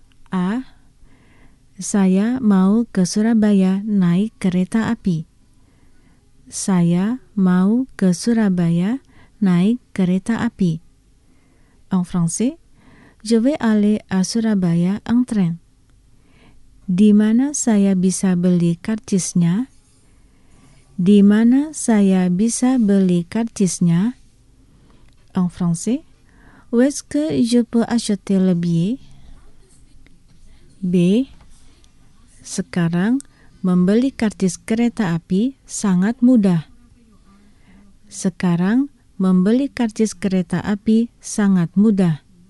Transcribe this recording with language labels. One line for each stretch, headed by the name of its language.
Indonesian: A. Saya mau ke Surabaya naik kereta api. Saya mau ke Surabaya naik kereta api.
French: En français, je vais aller à Surabaya en train.
Indonesian: Di mana saya bisa beli karcisnya? Di mana saya bisa beli karcisnya?
French: En français, où est-ce que je peux acheter le billet?
Indonesian: B. Sekarang, membeli karcis kereta api sangat mudah. Sekarang, membeli karcis kereta api sangat mudah.